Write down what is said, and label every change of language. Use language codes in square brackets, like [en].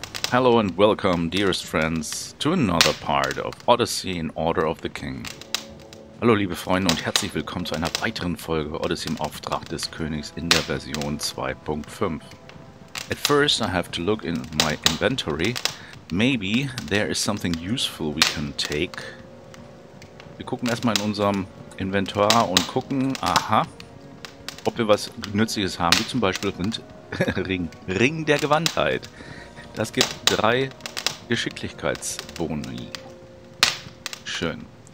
[en] Hello and welcome, dearest friends, to another part of Odyssey in Order of the King. [de] Hallo liebe Freunde und herzlich willkommen zu einer weiteren Folge Odyssey im Auftrag des Königs in der Version 2.5. [en] At first I have to look in my inventory. Maybe there is something useful we can take. [de] Wir gucken erstmal in unserem Inventar und gucken, aha, ob wir was Nützliches haben, wie zum Beispiel Ring der Gewandtheit. Das gibt 3 Geschicklichkeitsboni. Schön.